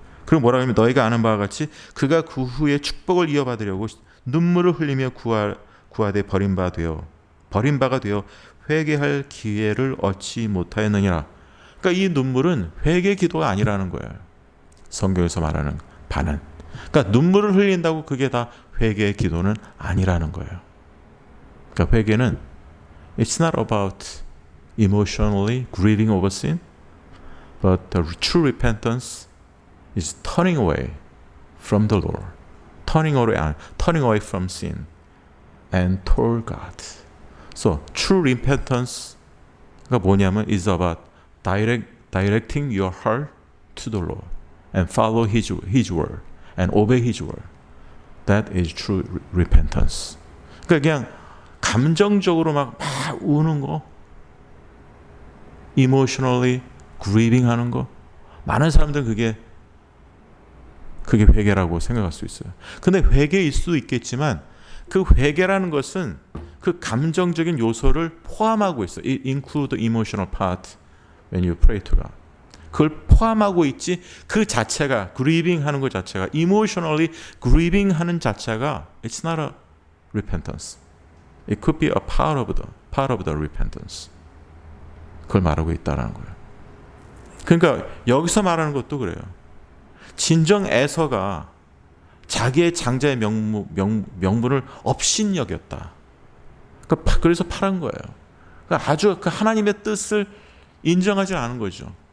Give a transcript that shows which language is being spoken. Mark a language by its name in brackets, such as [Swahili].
[Korean] 그리고 뭐라고 하면 너희가 아는 바와 같이 그가 그 후에 축복을 이어받으려고 눈물을 흘리며 구하되 버린 바가 되어 회개할 기회를 얻지 못하였느니라. 그러니까 이 눈물은 회개 기도가 아니라는 거예요. 성경에서 말하는 반은. 그러니까 눈물을 흘린다고 그게 다 회개의 기도는 아니라는 거예요. 그러니까 회개는 [English] It's not about emotionally grieving over sin, but the true repentance is turning away from the Lord, turning away from sin and toward God. So true repentance [Korean] 가 뭐냐면 [English] is about directing your heart to the Lord and follow His word and obey His word. That is true repentance. [Korean] 그러니까 그냥 감정적으로 막 우는 거, [English] emotionally grieving [Korean] 하는 거, 많은 사람들은 그게 회개라고 생각할 수 있어요. 근데 회개일 수도 있겠지만 그 회개라는 것은 그 감정적인 요소를 포함하고 있어. [English] It include emotional part when you pray to God. [Korean] 그걸 포함하고 있지. 그 자체가 grieving 하는 것 자체가 [English] emotionally grieving [Korean] 하는 자체가 [English] it's not a repentance. It could be a part of the repentance. [Korean] 그걸 말하고 있다라는 거예요. 그러니까 여기서 말하는 것도 그래요. 진정 애서가 자기의 장자의 명분을 업신여겼다. 그래서 팔은 거예요. 아주 그 하나님의 뜻을 인정하지 않은 거죠.